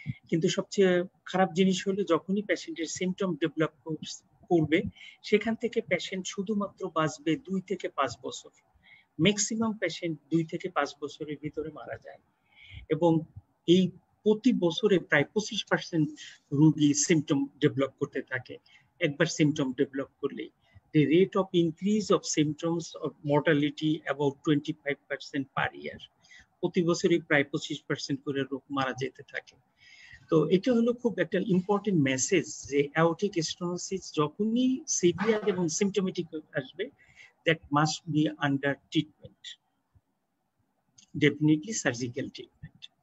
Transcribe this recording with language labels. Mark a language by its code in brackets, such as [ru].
[bn] কিন্তু সবচেয়ে খারাপ জিনিস হলো যখনই প্যাশেন্টের সিমটম ডেভেলপ করবে সেখান থেকে প্যাশেন্ট শুধুমাত্র বাঁচবে 2 থেকে 5 বছর, ম্যাক্সিমাম প্যাশেন্ট 2 থেকে 5 বছরের ভিতরে মারা যায়। এবং এই প্রতি বছরে প্রায় 25% রোগী সিমটম ডেভেলপ করতে থাকে, একবার সিমটম ডেভেলপ করলেই [en] the rate of increase of symptoms of mortality about 25% per year. [bn] প্রতি বছরই প্রায় 25% করে রোগ মারা যেতে থাকে। তো এটা হলো খুব একটা ইম্পর্টেন্ট মেসেজ যে অ্যাওটিক স্টেনোসিস যখনই সিভিয়ার এবং সিমটোমেটিক আসবে [en] That must be under treatment definitely surgical treatment.